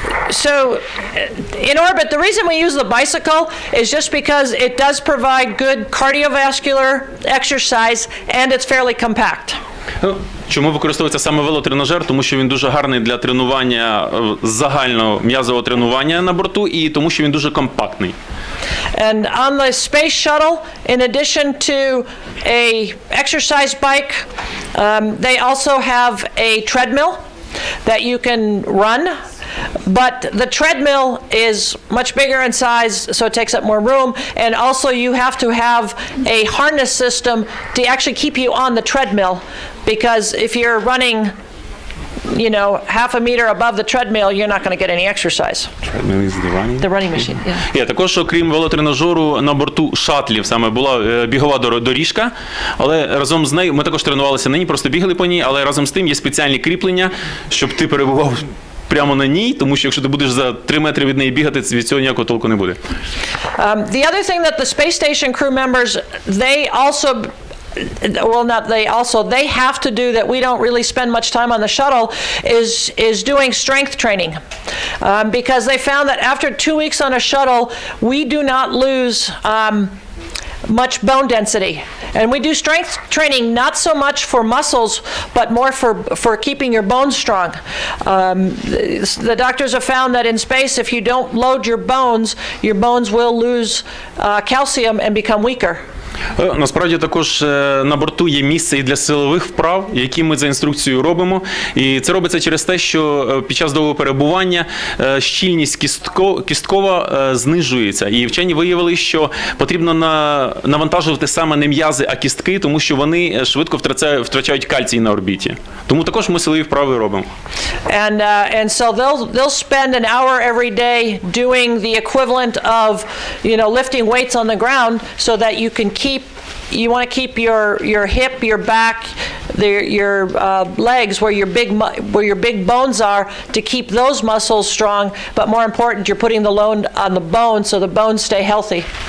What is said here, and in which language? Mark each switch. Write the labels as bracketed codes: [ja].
[en] So in orbit, the reason we use the bicycle is just because it does provide good cardiovascular exercise and it's fairly compact. [uk] Чому використовується саме велотренажер? Тому що він дуже гарний для тренування загального м'язового тренування на борту і тому що він дуже компактний. [en] And on the space shuttle, in addition to a exercise bike, they also have a treadmill that you can run. But the treadmill is much bigger in size, so it takes up more room, and also you have to have a harness system to actually keep you on the treadmill, because if you're running, you know, half a meter above the treadmill, you're not going to get any exercise. Treadmill is the running? The running machine, yeah. [uk] Yeah, також, окрім велотренажеру, на борту шатлів саме була бігова доріжка, але разом з нею, ми також тренувалися на ній, просто бігали по ній, але разом з тим є спеціальні кріплення, щоб ти перебував прямо на ній, тому що якщо ти будеш за 3 метри від неї бігати, від цього ніякого толку не буде. [en] The other thing that the space station crew members, they also, well not they also, they have to do that we don't really spend much time on the shuttle, is doing strength training. Because they found that after 2 weeks on a shuttle, we do not lose much bone density. And we do strength training not so much for muscles, but more for keeping your bones strong. The doctors have found that in space, if you don't load your bones will lose calcium and become weaker. [uk] Насправді також на борту є місце і для силових вправ, які ми за інструкцією робимо. І це робиться через те, що під час довгого перебування щільність кісткова знижується. І вчені виявили, що потрібно навантажувати саме не м'язи, а кістки, тому що вони швидко втрачають кальцій на орбіті. Тому також ми силові вправи робимо. [en] And so they'll spend an hour every day doing the equivalent of, you know, lifting weights on the ground so that you can keep, you want to keep your hip, your back, your legs where your big bones are, to keep those muscles strong, but more important, you're putting the load on the bones so the bones stay healthy.